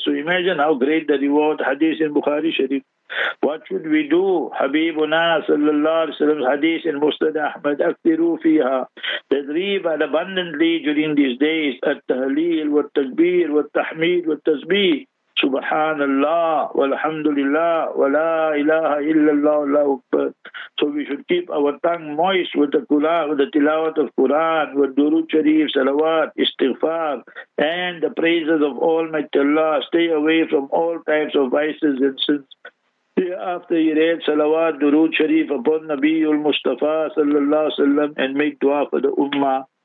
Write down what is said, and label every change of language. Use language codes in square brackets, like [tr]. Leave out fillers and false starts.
[en] So imagine how great the reward, hadith in Bukhari Sharif. What should we do? Habibuna sallallahu alayhi wa sallam, hadith in Musnad Ahmad, [ar] aktiru fiha, [en] that reave abundantly during these days, at tahleel, wa takbir, wa tahmeed, wa tasbih. [ar] سبحان الله والحمد لله ولا إله إلا الله لا أكبر. [en] So we should keep our tongue moist with the Quran, with the tilawat of Quran, with Durood Sharif, Salawat, Istighfar, and the praises of Almighty Allah. Stay away from all types of vices and sins. Thereafter, he read Salawat, Durood Sharif upon Nabiul Mustafa sallallahu alaihi wasallam and make dua for the Ummah.